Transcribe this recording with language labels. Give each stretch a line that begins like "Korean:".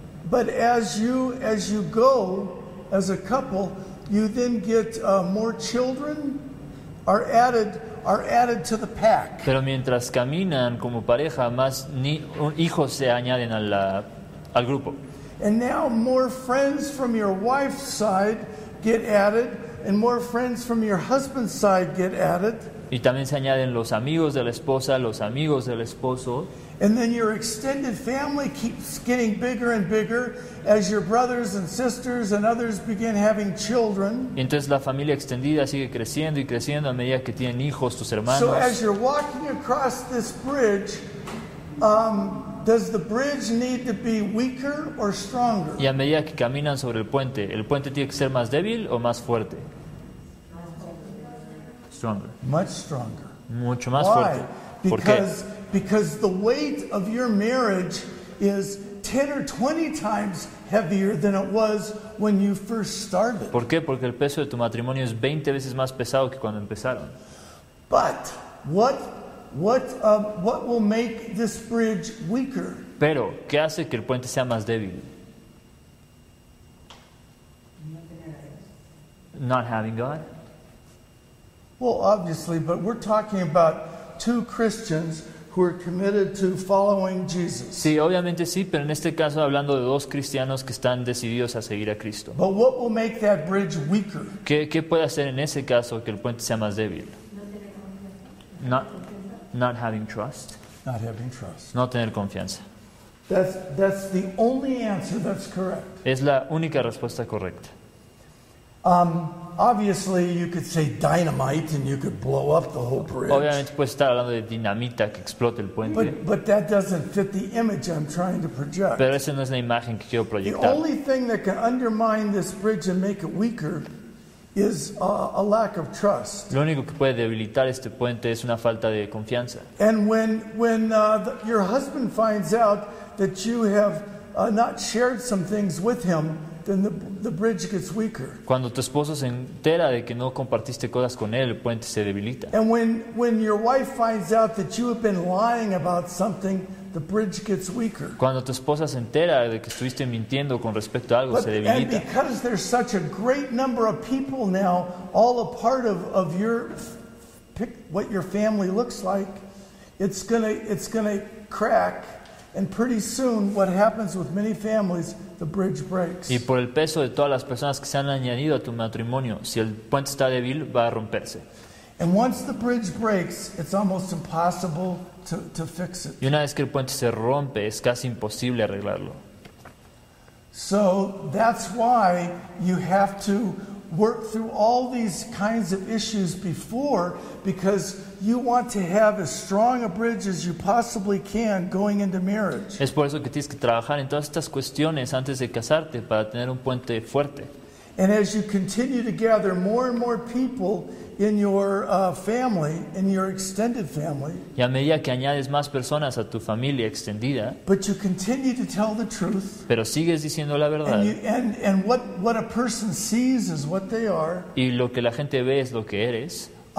English: But as you go as a couple, you then get more children are added to the pack.
Spanish: Pero mientras caminan como pareja, más hijos se añaden al grupo.
English: And now more friends from your wife's side get added, and more friends from your husband's side get added.
Spanish: Y también se añaden los amigos de la esposa, los amigos del esposo.
English: And then your extended family keeps getting bigger and bigger as your brothers and sisters and others begin having children.
Spanish: Y entonces la familia extendida sigue creciendo y creciendo a medida que tienen hijos tus hermanos.
English: So as you're walking across this bridge, does the bridge need to be weaker or stronger?
Spanish: Y a medida que caminan sobre el puente tiene que ser más débil o más fuerte. Más fuerte.
English: stronger. Much stronger.
Spanish: Mucho más
English: Why?
Spanish: Fuerte.
English: Because the weight of your marriage is 10 or 20 times heavier than it was when you first started.
Spanish: ¿Por qué? Porque el peso de tu matrimonio es 20 veces más pesado que cuando empezaron.
English: But what will make this bridge weaker?
Spanish: Pero ¿qué hace que el puente sea más débil?
English: Not having God? Well, obviously, but we're talking about two Christians who are committed to following Jesus.
Spanish: Sí, obviamente sí, pero en este caso hablando de dos cristianos que están decididos a seguir a Cristo.
English: But what will make that bridge weaker?
Spanish: ¿Qué puede hacer en ese caso que el puente sea más débil?
English: Not having trust. Not having trust.
Spanish: No tener confianza.
English: That's the only answer that's correct.
Spanish: Es la única respuesta correcta.
English: Obviously, you could say dynamite, and you could blow up the whole bridge.
Spanish: Obviamente, puedes estar hablando de dinamita que explote el puente.
English: But that doesn't fit the image I'm trying to project.
Spanish: Pero esa no es la imagen que quiero proyectar.
English: The only thing that can undermine this bridge and make it weaker is a lack of trust.
Spanish: Lo único que puede debilitar este puente es una falta de confianza.
English: And when your husband finds out that you have not shared some things with him, then the bridge gets weaker.
Spanish: Cuando tu esposo se entera de que no compartiste cosas con él, el puente se debilita.
English: And when your wife finds out that you have been lying about something, the bridge gets weaker.
Spanish: Cuando tu esposa se entera de que estuviste mintiendo con respecto a algo, se debilita.
English: And because there's such a great number of people now, all a part of your pick what your family looks like, it's gonna crack. And pretty soon, what happens with many families, the bridge breaks.
Spanish: Y por el peso de todas las personas que se han añadido a tu matrimonio, si el puente está débil, va a romperse.
English: And once the bridge breaks, it's almost impossible to fix it.
Spanish: Y una vez que el puente se rompe, es casi imposible arreglarlo.
English: So that's why you have to work through all these kinds of issues before, because you want to have as strong a bridge as you possibly can going into marriage.
Spanish: Es por eso que tienes que trabajar en todas estas cuestiones antes de casarte para tener un puente fuerte.
English: And as you continue to gather more and more people in your family, in your extended family,
Spanish: y a medida que añades más personas a tu familia extendida,
English: but you continue to tell the truth,
Spanish: pero sigues diciendo la verdad,
English: and what a person sees is what they are,
Spanish: y lo que la gente ve es lo que eres,